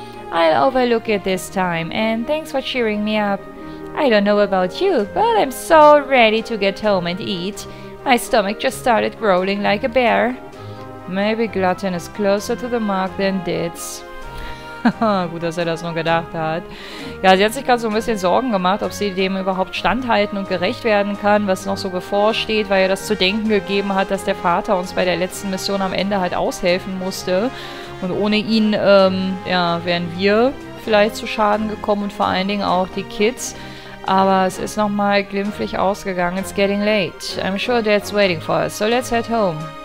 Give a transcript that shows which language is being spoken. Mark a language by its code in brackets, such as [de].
[en] I'll overlook it this time, and thanks for cheering me up. I don't know about you, but I'm so ready to get home and eat. My stomach just started growling like a bear. Maybe glutton is closer to the mark than ditz. [de] Gut, dass er das nur gedacht hat. Ja, sie hat sich gerade so ein bisschen Sorgen gemacht, ob sie dem überhaupt standhalten und gerecht werden kann, was noch so bevorsteht, weil ihr das zu denken gegeben hat, dass der Vater uns bei der letzten Mission am Ende halt aushelfen musste. Und ohne ihn, ja, wären wir vielleicht zu Schaden gekommen und vor allen Dingen auch die Kids. Aber es ist nochmal glimpflich ausgegangen. [en] It's getting late. I'm sure Dad's waiting for us, so let's head home.